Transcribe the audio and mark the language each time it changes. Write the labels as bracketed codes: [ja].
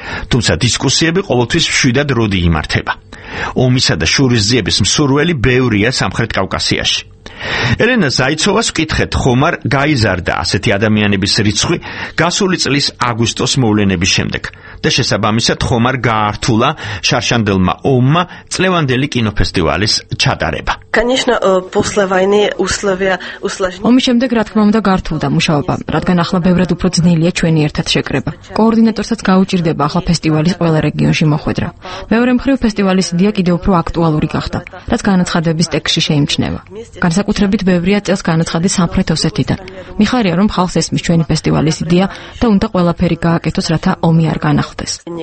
[ka] თუმცა დისკუსიები ყოველთვის მშვიდად როდი იმართება. ომისა და შურისძიების მსურველი ბევრია სამხრეთ კავკასიაში. ელენა ზაიცოვას ვკითხეთ, ხომ არ გაიზარდა ასეთი ადამიანების რიცხვი გასული წლის აგვისტოს მოვლენების შემდეგ და შესაბამისად ხომ არ გაართულა შარშანდელმა ომმა წლევანდელი კინოფესტივალის ჩატარება. [ru] Конечно, после войны условия усложнились. [ka] ომის შემდეგ რა თქმა უნდა გართულდა მუშაობა, რადგან ახლა ბევრად უფრო ძნელია ჩვენი ერთად შეკრება. კოორდინატორსაც გაუჭირდება ახლა ფესტივალის ყველა რეგიონში მოხვედრა. მეორე მხრივ ფესტივალის იდეა კიდევ უფრო აქტუალური გახდა, რაც განაცხადების ტექსში შეიმჩნევა. განსაკუთრებით ბევრია წელს განაცხადი სამხრეთ ოსეთიდან. მიხარია, რომ ხალხს ესმის ჩვენი ფესტივალის იდეა და უნდა ყველაფერი გააკეთოს, რათა ომი არ განახლდეს.